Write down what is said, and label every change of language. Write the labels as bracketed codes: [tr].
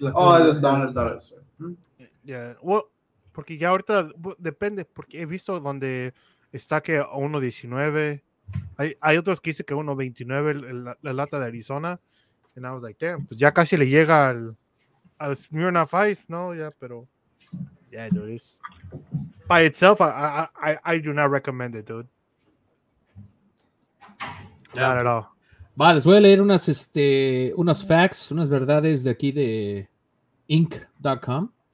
[es] la $1, porque ya ahorita depende, porque he visto donde está que $1.19, hay otros que dice que $1.29 la lata de Arizona, [en] and I was like, damn, [es] pues ya casi le llega al Smirnoff Ice, ¿no? Ya, pero [en] yeah, dude, it's by itself, I do not recommend it, dude. Yeah. Not at all. [es] Vale, les voy a leer unas facts, unas verdades de aquí de Inc.com.